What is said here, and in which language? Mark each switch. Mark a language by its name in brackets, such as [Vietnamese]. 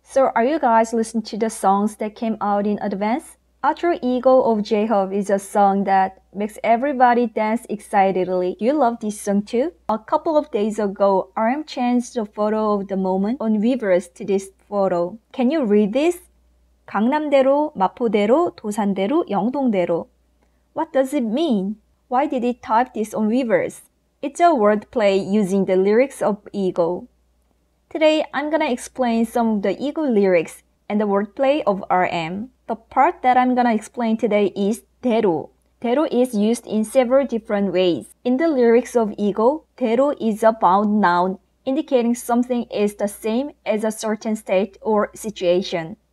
[English] So are you guys listening to the songs that came out in advance? Ultra Ego of J-Hope is a song that makes everybody dance excitedly. You love this song too? A couple of days ago, RM changed the photo of the moment on Weverse to this photo. Can you read this? [Korean] 강남대로, 마포대로, 도산대로, 영동대로. [English] What does it mean? Why did he type this on Weverse? It's a wordplay using the lyrics of Ego. Today, I'm gonna explain some of the Ego lyrics and the wordplay of RM. The part that I'm gonna explain today is 대로. 대로 is used in several different ways. In the lyrics of Ego, 대로 is a bound noun indicating something is the same as a certain state or situation.